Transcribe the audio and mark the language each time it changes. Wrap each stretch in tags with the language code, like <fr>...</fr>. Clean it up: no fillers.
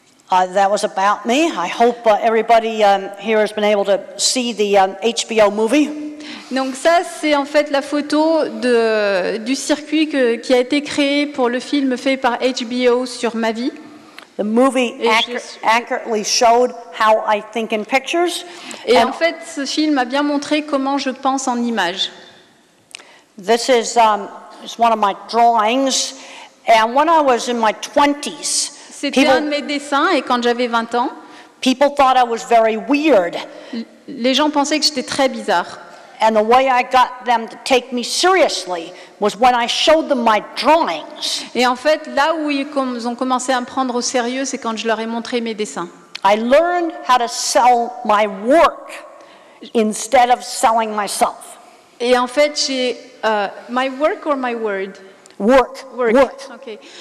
<en>That was about me. I hope everybody here has been able to see the HBO movie.</en> <fr>Donc ça, c'est en fait la photo du circuit qui a été créé pour le film fait par HBO sur ma vie.</fr> <en>The movie accurately showed how I think in pictures.</en> <fr>Et en fait, ce film a bien montré comment je pense en images.</fr> <en>This is it's one of my drawings. And when I was in my 20s,</en> <fr>c'était un de mes dessins, et quand j'avais 20 ans,</fr> <en>people thought I was very weird.</en> <fr>Les gens pensaient que j'étais très bizarre.</fr> <en>And the way I got them to take me seriously was when I showed them my drawings.</en> <fr>Et en fait, là où ils ont commencé à me prendre au sérieux, c'est quand je leur ai montré mes dessins.</fr> <en>I learned how to sell my work instead of selling myself.</en> <fr>Et en fait, j'ai</fr> <en>my work or my word. Work. Okay.</en>